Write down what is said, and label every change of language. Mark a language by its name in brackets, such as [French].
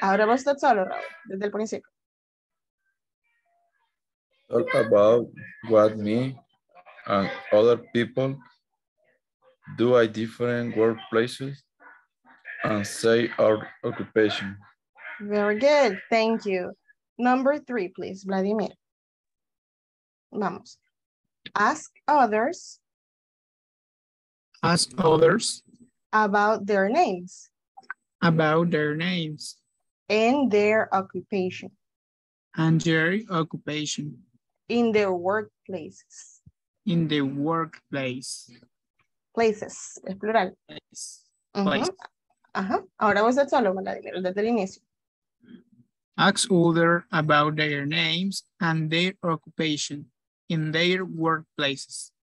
[Spanish] Ahora vos estás solo, Raúl, desde el principio. [English] Talk about what me and other people do at different workplaces and say our occupation. Very good. Thank you. Number three, please, Vladimir. Vamos. Ask others. Ask others. About their names. About their names. And their occupation. And their occupation. In their workplaces. In the workplace. [Spanish] Places, es plural. [English] Places. Uh-huh. [Spanish] Ahora vos estás solo, Vladimir, desde el inicio. [English] Ask other about their names and their occupation in their workplaces.